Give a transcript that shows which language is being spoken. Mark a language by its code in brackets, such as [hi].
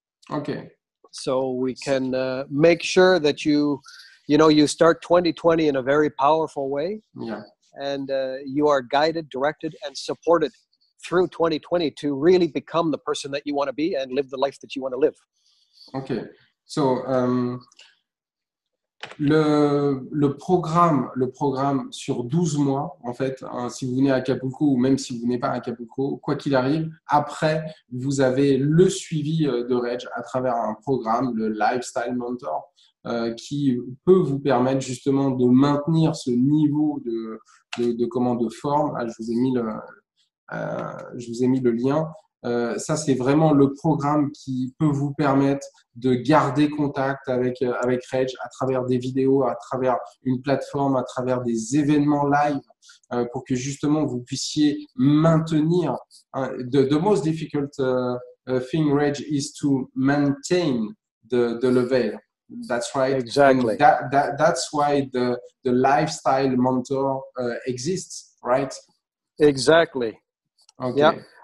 [en] Okay. So we can make sure that you start 2020 in a very powerful way. Yeah. And you are guided, directed, and supported through 2020 to really become the person that you want to be and live the life that you want to live. Okay, so [fr] le programme sur 12 mois, en fait, hein, si vous venez à Acapulco ou même si vous venez pas à Acapulco, quoi qu'il arrive, après, vous avez le suivi de Reg à travers un programme, le Lifestyle Mentor, qui peut vous permettre justement de maintenir ce niveau de forme. Ah, je vous ai mis le lien. Ça, c'est vraiment le programme qui peut vous permettre de garder contact avec, avec Reg à travers des vidéos, à travers une plateforme, à travers des événements live pour que justement vous puissiez maintenir. [en] The most difficult thing, Reg, is to maintain the level. That's right. Exactly. That's why the lifestyle mentor exists, right? Exactly. Okay. Yeah.